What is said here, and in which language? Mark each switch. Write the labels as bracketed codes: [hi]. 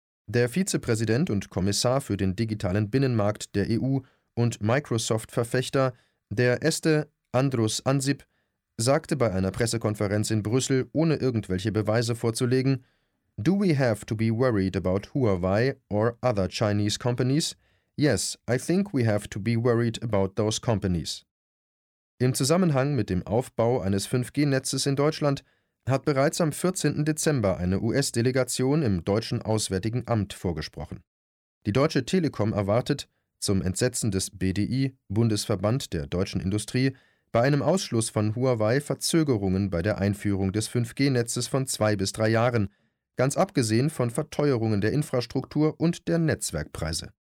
[de] Der Vizepräsident und Kommissar für den digitalen Binnenmarkt der EU und Microsoft-Verfechter, der Este Andrus Ansip, sagte bei einer Pressekonferenz in Brüssel, ohne irgendwelche Beweise vorzulegen, [en] "Do we have to be worried about Huawei or other Chinese companies? Yes, I think we have to be worried about those companies." [de] Im Zusammenhang mit dem Aufbau eines 5G-Netzes in Deutschland hat bereits am 14. Dezember eine US-Delegation im deutschen Auswärtigen Amt vorgesprochen. Die Deutsche Telekom erwartet, zum Entsetzen des BDI, Bundesverband der deutschen Industrie, bei einem Ausschluss von Huawei Verzögerungen bei der Einführung des 5G-Netzes von 2 bis 3 Jahren, ganz abgesehen von Verteuerungen der Infrastruktur und der Netzwerkpreise.